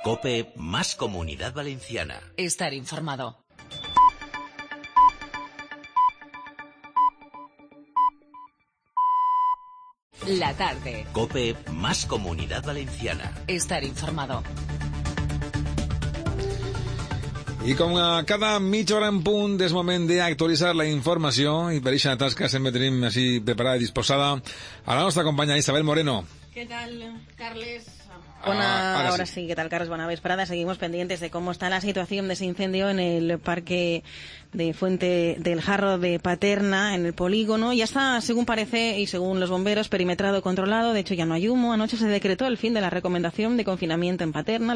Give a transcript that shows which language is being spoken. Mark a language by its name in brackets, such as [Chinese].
[Spanish] COPE más Comunidad Valenciana. Estar informado. La tarde. COPE más Comunidad Valenciana. Estar informado. [Catalan] I com a cada mitja hora en punt és moment d'actualitzar la informació i per aquesta tasca sempre tenim així preparada i disposada a la nostra companya Isabel Moreno. [Spanish] ¿Qué tal, Carles? Hola, ahora sí, ¿qué tal, Carlos? Buena vesprada. Seguimos pendientes de cómo está la situación de ese incendio en el parque de Fuente del Jarro de Paterna, en el polígono. Ya está, según parece, y según los bomberos, perimetrado, controlado. De hecho, ya no hay humo. Anoche se decretó el fin de la recomendación de confinamiento en Paterna.